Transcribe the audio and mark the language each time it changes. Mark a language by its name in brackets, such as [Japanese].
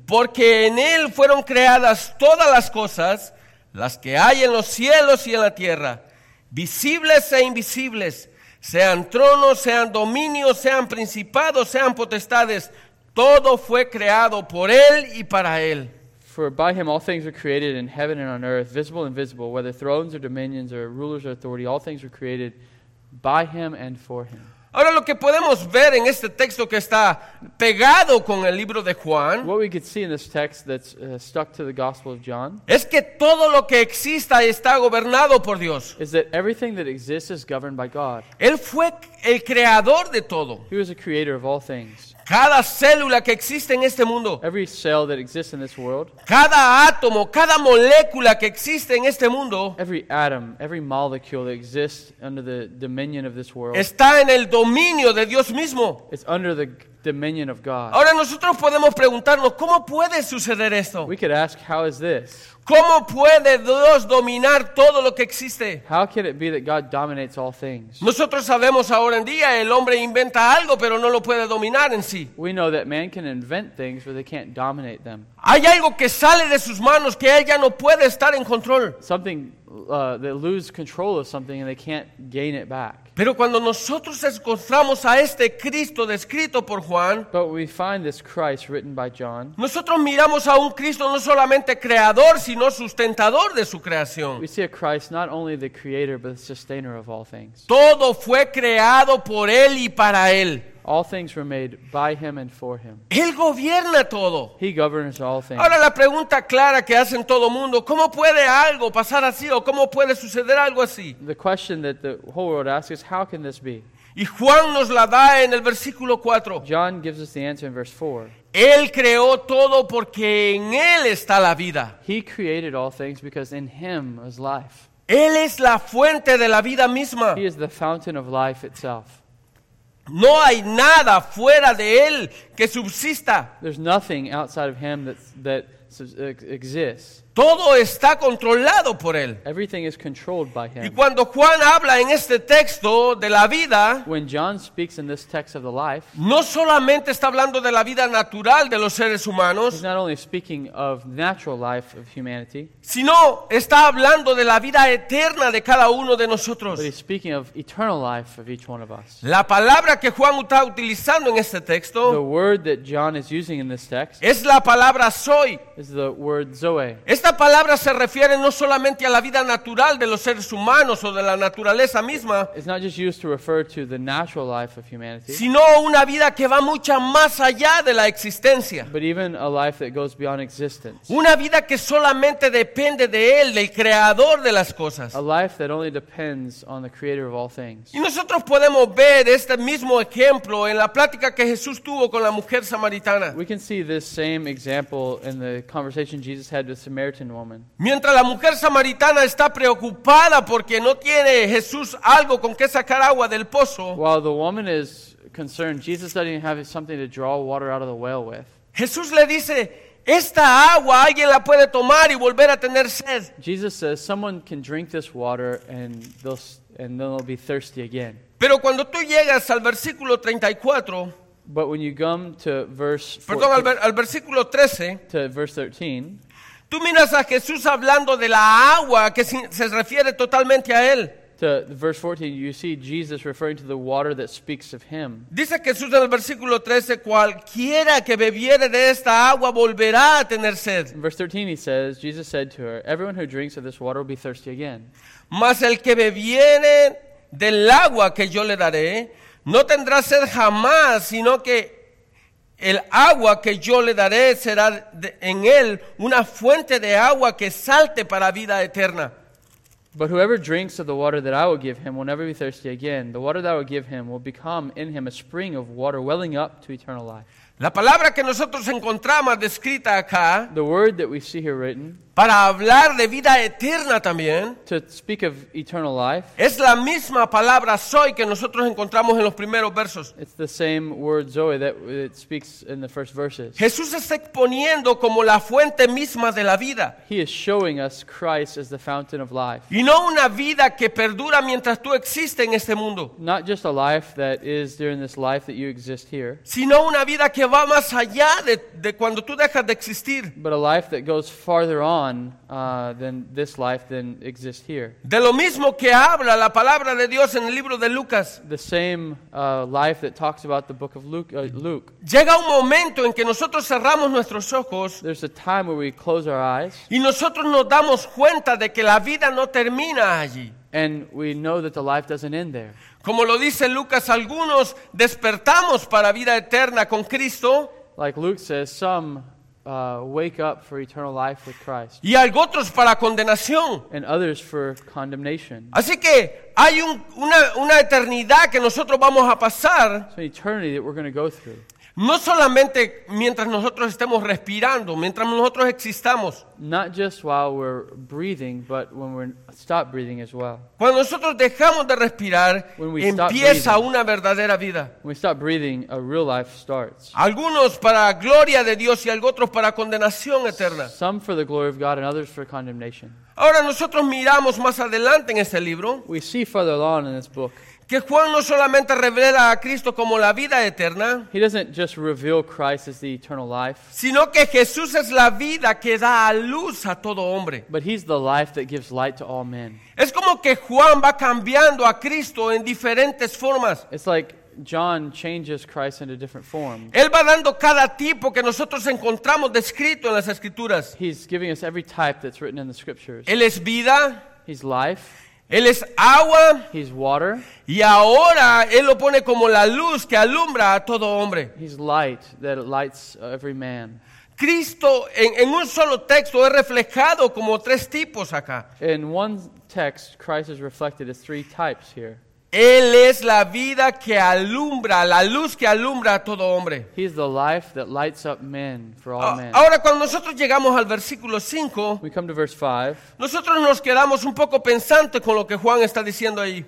[Spanish] Porque en él fueron creadas todas las cosas, las que hay en los cielos y en la tierra. Visibles e invisibles, sean tronos, sean dominios, sean principados, sean potestades, todo fue creado por él y para él. [English] For by him all things were created in heaven and on earth, visible and invisible, whether thrones or dominions or rulers or authority, all things were created by him and for him. [Spanish] Ahora lo que podemos ver en este texto que está pegado con el libro de Juan, [English] what we could see in this text that's stuck to the Gospel of John, [Spanish] es que todo lo que exista está gobernado por Dios. [English] Is that everything that exists is governed by God. [Spanish] Él fue el creador de todo. [English] He was the creator of all things. [Spanish] Cada célula que existe en este mundo, [English] every cell that exists in this world, [Spanish] cada átomo, cada molécula que existe en este mundo, [English] every atom, every molecule that exists under the dominion of this world, [Spanish] está en el dominio de Dios mismo. [English] It's under the dominion of God. [Spanish] Ahora nosotros podemos preguntarnos, ¿cómo puede suceder esto? [English] We could ask, how is this? [Spanish] ¿Cómo puede Dios dominar todo lo que existe? [English] How can it be that God dominates all things? [Spanish] Nosotros sabemos ahora en día, el hombre inventa algo, pero no lo puede dominar en sí. [English] We know that man can invent things, but they can't dominate them. [Spanish] Hay algo que sale de sus manos que él ya no puede estar en control. [English] Something they lose control of something and they can't gain it back. [Spanish] Pero cuando nosotros encontramos a este Cristo descrito por Juan, [English] but we find this Christ written by John, [Spanish] nosotros miramos a un Cristo no solamente creador, sino sustentador de su creación. [English] We see a Christ not only the creator, but the sustainer of all things. [Spanish] Todo fue creado por él y para él. [English] All things were made by him and for him. [Spanish] Él gobierna todo. [English] He governs all things. [Spanish] Ahora la pregunta clara que hacen todo mundo, ¿cómo puede algo pasar así o cómo puede suceder algo así? [English] The question that the whole world asks is, how can this be? [Spanish] Y Juan nos la da en el versículo 4. [English] John gives us the answer in verse 4. [Spanish] Él creó todo porque en él está la vida. [English] He created all things because in him was life. [Spanish] Él es la fuente de la vida misma. [English] He is the fountain of life itself. [Spanish] No hay nada fuera de él que subsista. [English] There's nothing outside of him that exists. [Spanish] Todo está controlado por él. [English] Everything is controlled by him. [Spanish] Y cuando Juan habla en este texto de la vida, [English] when John speaks in this text of the life, [Spanish] no solamente está hablando de la vida natural de los seres humanos, [English] he's not only speaking of natural life of humanity, [Spanish] sino está hablando de la vida eterna de cada uno de nosotros. [English] But he's speaking of eternal life of each one of us. [Spanish] La palabra que Juan está utilizando en este texto, [English] the word that John is using in this text, [Spanish] es la palabra soy, [English] is the word zoe. [Spanish] Esta palabra se refiere no solamente a la vida natural de los seres humanos o de la naturaleza misma, [English] it's not just used to refer to the natural life of humanity, [Spanish] sino una vida que va mucho más allá de la existencia. [English] But even a life that goes beyond existence. [Spanish] Una vida que solamente depende de él, del creador de las cosas. [English] A life that only depends on the creator of all things. [Spanish] Y nosotros podemos ver este mismo ejemplo en la plática que Jesús tuvo con la mujer samaritana. [English] We can see this same example in the conversation Jesus had with Samaritan woman. [Spanish] Mientras la mujer samaritana está preocupada porque no tiene Jesús algo con que sacar agua del pozo, [English] while the woman is concerned, Jesus doesn't have something to draw water out of the well with. [Spanish] Jesús le dice, esta agua alguien la puede tomar y volver a tener sed. [English] Jesus says, someone can drink this water and they'll be thirsty again. [Spanish] Pero cuando tú llegas al versículo 34, [English] but when you come to verse 14, [Spanish] perdón, al versículo 13, [English] to verse 13, [Spanish] tú miras a Jesús hablando de la agua que se refiere totalmente a él. [English] To verse 14, you see Jesus referring to the water that speaks of him. [Spanish] Dice Jesús en el versículo 13, cualquiera que bebiere de esta agua volverá a tener sed. [English] In verse 13, he says, Jesus said to her, everyone who drinks of this water will be thirsty again. [Spanish] Mas el que bebiere del agua que yo le daré, no tendrá sed jamás, sino que el agua que yo le daré será en él una fuente de agua que salte para vida eterna. [English] But whoever drinks of the water that I will give him will never be thirsty again. The water that I will give him will become in him a spring of water welling up to eternal life. [Spanish] La palabra que nosotros encontramos descrita acá, [English] the word that we see here written, [Spanish] para hablar de vida eterna también, [English] to speak of eternal life, [Spanish] es la misma palabra Zoe que nosotros encontramos en los primeros versos. [English] It's the same word Zoe that it speaks in the first verses. [Spanish] Jesús está exponiendo como la fuente misma de la vida. [English] He is showing us Christ as the fountain of life. [Spanish] Y no una vida que perdura mientras tú existes en este mundo. [English] Not just a life that is during this life that you exist here. [Spanish] Sino una vida que va más allá de cuando tú dejas de existir. [English] But a life that goes farther on. Than this life than exists here. [Spanish] De lo mismo que habla la palabra de Dios en el libro de Lucas. [English] The same life that talks about the book of Luke. [Spanish] Llega un momento en que nosotros cerramos nuestros ojos. [English] There's a time where we close our eyes. [Spanish] Y nosotros nos damos cuenta de que la vida no termina allí. [English] And we know that the life doesn't end there. [Spanish] Como lo dice Lucas, algunos despertamos para vida eterna con Cristo. [English] Like Luke says, some wake up for eternal life with Christ. [Spanish] Y otros para condenación. [English] And others for condemnation. [Spanish] Así que hay una eternidad que nosotros vamos a pasar. [English] It's an eternity that we're going to go through. [Spanish] No solamente mientras nosotros estemos respirando, mientras nosotros existamos. [English] Not just while we're breathing, but when we stop breathing as well. [Spanish] Cuando nosotros dejamos de respirar, empieza una verdadera vida. [English] When we stop breathing, a real life starts. [Spanish] Algunos para gloria de Dios y otros para condenación eterna. [English] Some for the glory of God and others for condemnation. [Spanish] Ahora nosotros miramos más adelante en este libro. [English] We see further along in this book. [Spanish] Que Juan no solamente revela a Cristo como la vida eterna, [English] he doesn't just reveal Christ as the eternal life, [Spanish] sino que Jesús es la vida que da a luz a todo hombre. [English] But he's the life that gives light to all men. [Spanish] Es como que Juan va cambiando a Cristo en diferentes formas. [English] It's like John changes Christ into different forms. [Spanish] Él va dando cada tipo que nosotros encontramos descrito en las Escrituras. [English] He's giving us every type that's written in the Scriptures. [Spanish] Él es vida. [English] He's life. [Spanish] Él es agua. [English] He's water. [Spanish] Y ahora Él lo pone como la luz que alumbra a todo hombre. [English] He's light that lights every man. [Spanish] Cristo en un solo texto es reflejado como tres tipos acá. [English] In one text, Christ is reflected as three types here. [Spanish] Él es la vida que alumbra, la luz que alumbra a todo hombre. [English] He's the life that lights up men for all men. [Spanish] Ahora, cuando nosotros llegamos al versículo 5, [English] we come to verse 5, [Spanish] nosotros nos quedamos un poco pensante con lo que Juan está diciendo ahí.